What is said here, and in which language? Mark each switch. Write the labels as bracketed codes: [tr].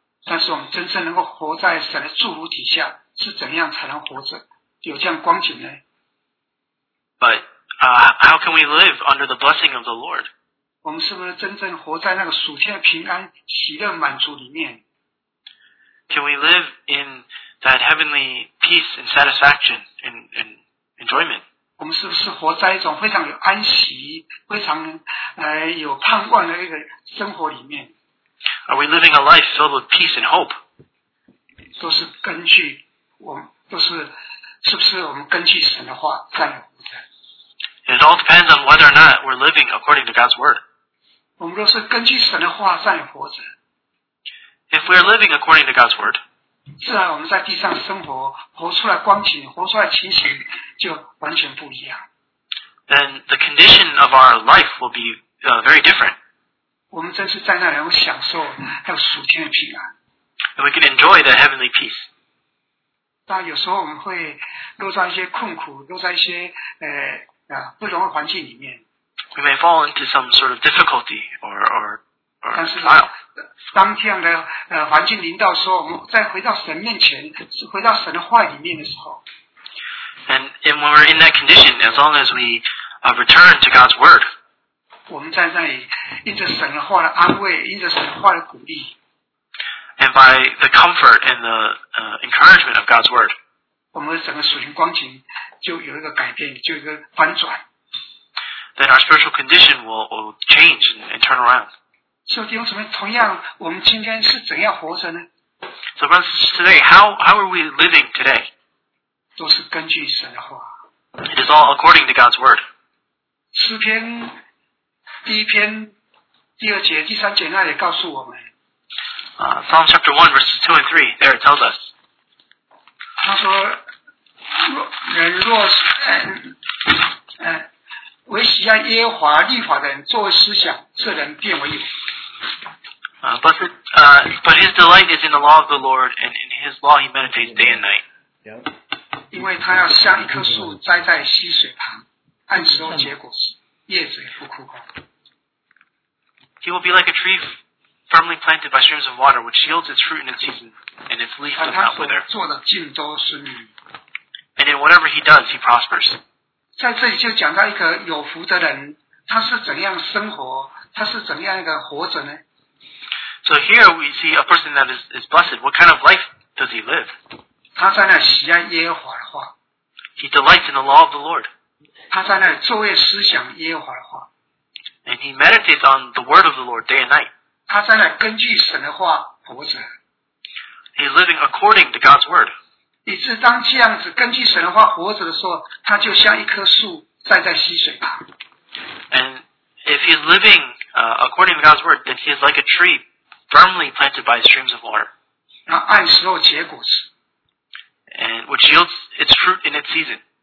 [zh] 但是我们真正能够活在神的祝福底下，是怎样才能活着有这样光景呢？ [en] But how can we live under the blessing of the Lord? [zh] 我们是不是真正活在那个属天的平安、喜乐、满足里面？ [en] Can we live in that heavenly peace and satisfaction and enjoyment? [zh] 我们是不是活在一种非常有安息、非常有盼望的一个生活里面？ [en] Are we living a life filled with peace and hope? [zh] 都是根据我们，都是是不是我们根据神的话在活着？ [en] It all depends on whether or not we're living according to God's word. [zh] 我们若是根据神的话在活着， [en] If we are living according to God's word, [zh] 自然我们在地上生活，活出来光景，活出来情形就完全不一样。 [en] Then the condition of our life will be very different. [zh] 我们真是在那里有享受还有属天的平安。 [en] And we can enjoy the heavenly peace. [zh] 但有时候我们会落在一些困苦，落在一些不容的环境里面。 [en] We may fall into some sort of difficulty or trial. [zh] 但是当这样的环境临到时候，我们再回到神面前，回到神的话里面的时候。 [en] And when we're in that condition, as long as we return to God's word, [zh] 我们在那里因着神的话的安慰，因着神的话的鼓励。 [en] And by the comfort and the encouragement of God's word, [zh] 我们整个属灵光景就有一个改变，就有一个翻转。 [en] Then our spiritual condition will change and turn around. [zh] 所以弟兄姊妹，同样，我们今天是怎样活着呢 [en] ？So brothers, today, how are we living today? [zh] 都是根据神的话。 [en] It is all according to God's word. [zh] 诗篇第一篇第二节第三节那里告诉我们。 [en] Psalm chapter 1 verses 2 and 3, there it tells us. [zh] 他说，人若是为喜爱耶和华律法的人，作为思想，这人变为有。 [en] But his delight is in the law of the Lord, and in his law he meditates day and night. [zh] 因为他要像一棵树栽在溪水旁，按时候结果实，叶子不枯干。 [en] He will be like a tree firmly planted by streams of water, which yields its fruit in its season, and its leaf does not wither. [zh] 做的尽都顺利。 [en] And in whatever he does, he prospers. [zh] 在这里就讲到一个有福的人，他是怎样生活，他是怎样一个活着呢 [en] ？So here we see a person that is blessed. What kind of life does he live? [zh] 他在那喜爱耶和华的话。 [en] He delights in the law of the Lord. [zh] 他在那昼夜思想耶和华的话。 [en] And he meditates on the word of the Lord day and night. [zh] 他在那根据神的话活着。 [en] He's living according to God's word. [zh] 以致当这样子根据神的话活着的时候，他就像一棵树栽在溪水旁。 [en] And if he's living according to God's word, then he is like a tree firmly planted by streams of water. [zh] 然后按时候结果实。 [en] And which yields its fruit in its season.